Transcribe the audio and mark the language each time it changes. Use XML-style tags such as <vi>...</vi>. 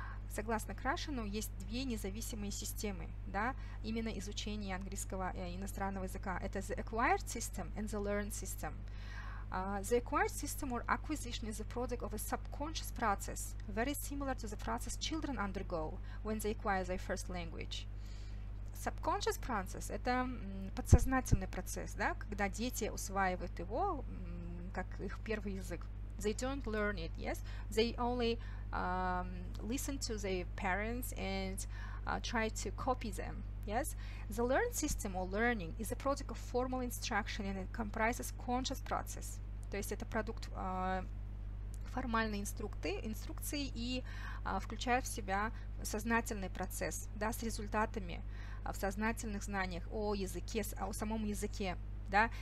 <ru>Согласно Крашену, есть две независимые системы, да, именно изучения английского иностранного языка.</ru> <en>Это the acquired system and the learned system. The acquired system or acquisition is the product of a subconscious process, very similar to the process children undergo when they acquire their first language. Subconscious process</en> <ru>– это подсознательный процесс, да, когда дети усваивают его как их первый язык.</ru> <en>They don't learn it, yes? They only listen to their parents and try to copy them, yes? The learned system or learning is a product of formal instruction and it comprises conscious process.</en> <ru>То есть это продукт формальной инструкции и включает в себя сознательный процесс, да, с результатами в сознательных знаниях о языке, о самом языке, да?</ru>